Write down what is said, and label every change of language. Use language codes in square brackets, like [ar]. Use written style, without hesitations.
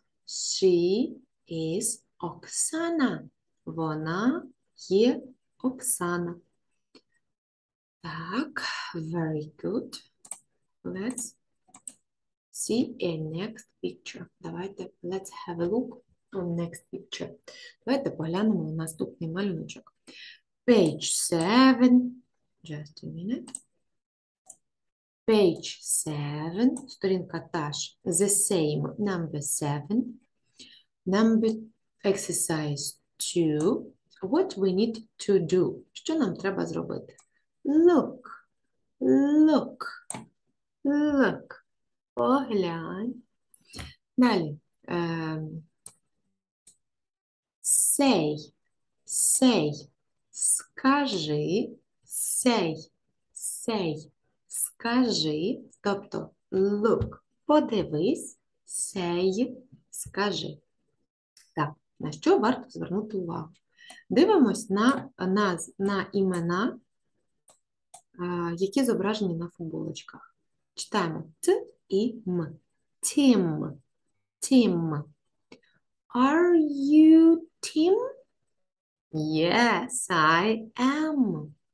[en] She is Оксана. [uk] Вона є Оксана. [en] Так, very good. Let's see a next picture. Давайте, let's have a look. Next picture. [uk] Давайте поглянемо на наступний малюночок. [en] Page 7. Just a minute. Page 7. [uk] Сторінка теж. [en] The same. Number 7. Number exercise 2. What we need to do? [uk] Що нам треба зробити? [en] Look. Look. Look. [uk] Поглянь. Далі. [en] Say, say, скажи, say, say, скажи, тобто look, подивись, say, скажи. [uk] Так, на що варто звернути увагу? Дивимось на імена, які зображені на футболочках. Читаємо т і м. Тім, тім. [en] Are you Tim? Yes, I am.